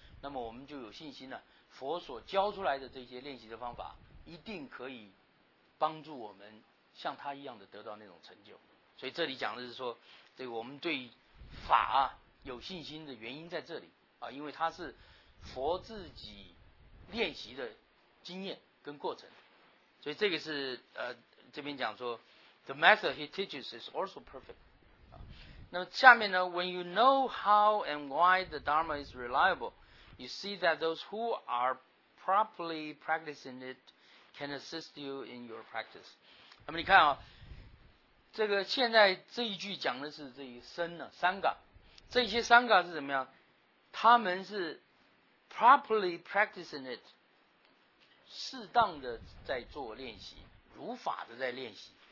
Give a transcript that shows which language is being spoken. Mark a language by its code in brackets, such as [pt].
[zh] 那么我们就有信心了，佛所教出来的这些练习的方法一定可以帮助我们像他一样的得到那种成就。所以这里讲的是说这个我们对法有信心的原因在这里啊，因为它是佛自己练习的经验跟过程。所以这个是这边讲说 [en] The method he teaches is also perfect、 [zh] 啊、那么下面呢 [en] When you know how and why the Dharma is reliableYou see that those who are properly practicing it can assist you in your practice. [zh] 那么你看啊，这个现在这一句讲的是这一生呢、啊，三嘎，这些三嘎是怎么样？他们是 [en] properly practicing it， [zh] 适当的在做练习，如法的在练习。